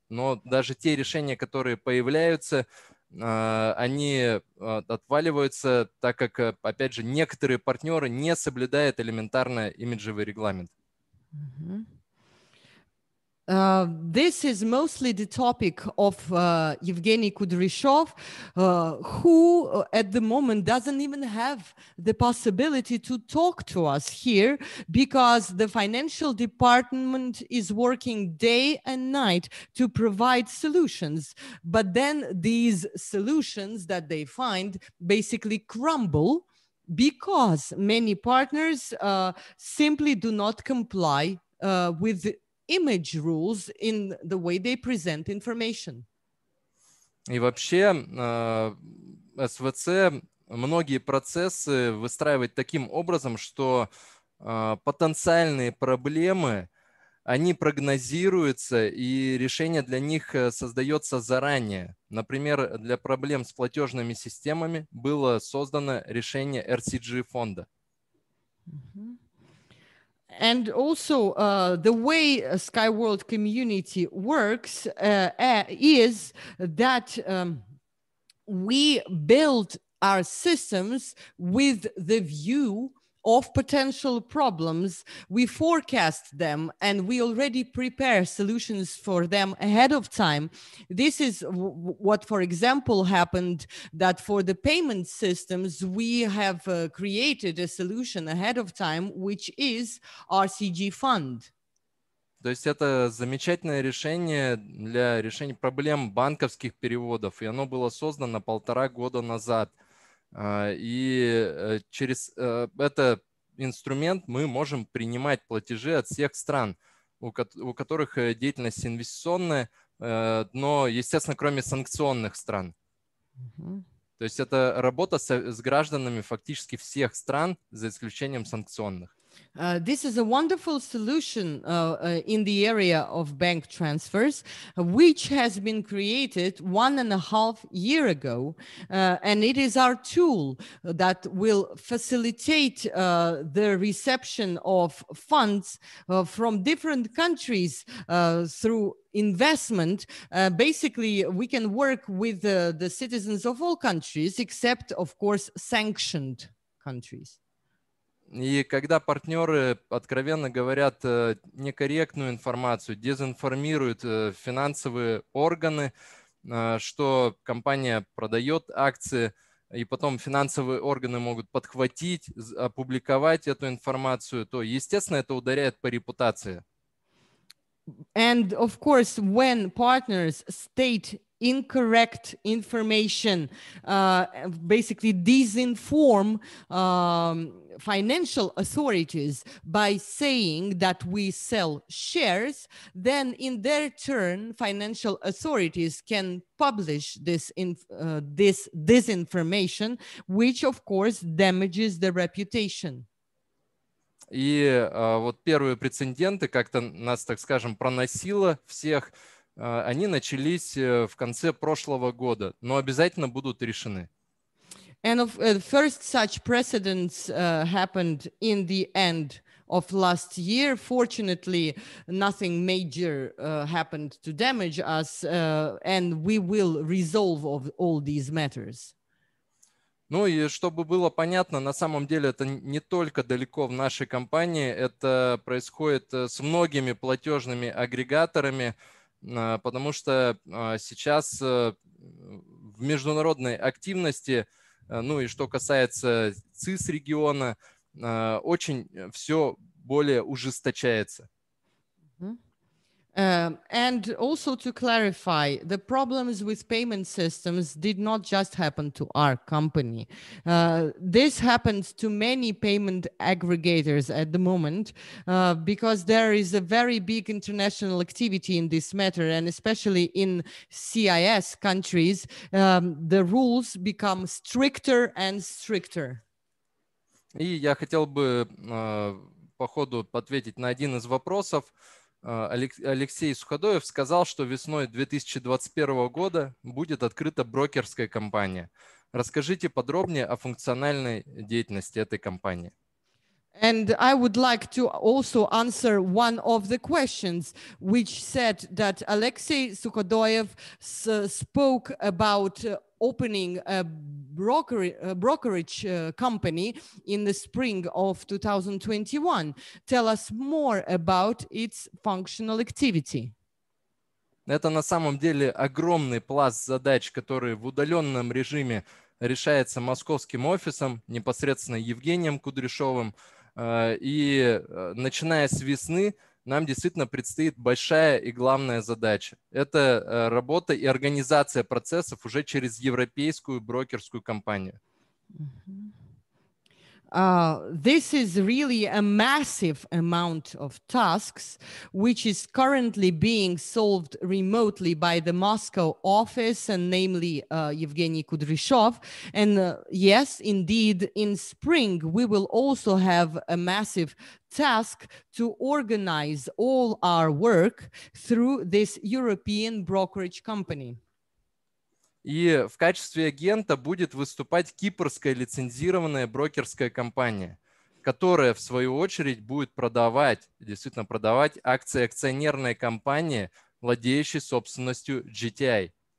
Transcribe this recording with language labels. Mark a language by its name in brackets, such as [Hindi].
[Russian] Но даже те решения, которые появляются, они отваливаются, так как, опять же, некоторые партнеры не соблюдают элементарно имиджевый регламент. Mm-hmm. [English] This is mostly the topic of Evgeny Kudryashov, who at the moment doesn't even have the possibility to talk to us here because the financial department is working day and night to provide solutions. But then these solutions that they find basically crumble because many partners simply do not comply with image rules in the way they present information. [Russian] И вообще, СВЦ многие процессы выстраивает таким образом, что потенциальные проблемы, они прогнозируются, и решение для них создается заранее. Например, для проблем с платежными системами было создано решение RCG-фонда. Mm-hmm. [English] And also, the way SkyWorld community works is that we build our systems with the view of potential problems. We forecast them and we already prepare solutions for them ahead of time. This is what, for example, happened that for the payment systems, we have created a solution ahead of time, which is RCG fund. [Russian] То есть это замечательное решение для решения проблем банковских переводов, и оно было создано полтора года назад. И через этот инструмент мы можем принимать платежи от всех стран. у которых деятельность инвестиционная, но, естественно, кроме санкционных стран. То есть это работа с гражданами фактически всех стран, за исключением санкционных. [English] This is a wonderful solution in the area of bank transfers, which has been created 1.5 years ago. And it is our tool that will facilitate the reception of funds from different countries through investment. Basically, we can work with the citizens of all countries, except, of course, sanctioned countries. [Russian] И когда партнеры откровенно говорят некорректную информацию, дезинформируют финансовые органы, что компания продает акции, и потом финансовые органы могут подхватить, опубликовать эту информацию, то, естественно, это ударяет по репутации. [English] And of course, when partners state incorrect information, basically disinform financial authorities by saying that we sell shares, then in their turn, financial authorities can publish this this disinformation, which of course damages the reputation. [Russian] И вот первые прецеденты как-то нас, так скажем, проносило всех. Они начались в конце прошлого года, но обязательно будут решены. [English] And of the first such precedents happened in the end of last year. Fortunately, nothing major happened to damage us, and we will resolve of all these matters. [Russian] Ну и чтобы было понятно, на самом деле это не только далеко в нашей компании, это происходит с многими платежными агрегаторами, потому что сейчас в международной активности, ну и что касается CIS региона, очень все более ужесточается. [English] And also to clarify, the problems with payment systems did not just happen to our company. This happens to many payment aggregators at the moment, because there is a very big international activity in this matter, and especially in CIS countries, the rules become stricter and stricter. [Russian] И я хотел бы по ходу ответить на один из вопросов. Алексей Суходоев сказал, что весной 2021 года будет открыта брокерская компания. Расскажите подробнее о функциональной деятельности этой компании. [English] And I would like to also answer one of the questions, which said that Alexei Sukhodoyev spoke about opening a brokerage company in the spring of 2021. Tell us more about its functional activity. [Russian] Это на самом деле огромный пласт задач, которые в удаленном режиме решается московским офисом, непосредственно Евгением Кудряшовым. И начиная с весны, нам действительно предстоит большая и главная задача. Это работа и организация процессов уже через европейскую брокерскую компанию. [English] This is really a massive amount of tasks, which is currently being solved remotely by the Moscow office, and namely Evgeny Kudryashov. And yes, indeed, in spring, we will also have a massive task to organize all our work through this European brokerage company. [Russian] И в качестве агента будет выступать кипрская лицензированная брокерская компания, которая, в свою очередь, будет продавать акции акционерной компании, владеющей собственностью GTI.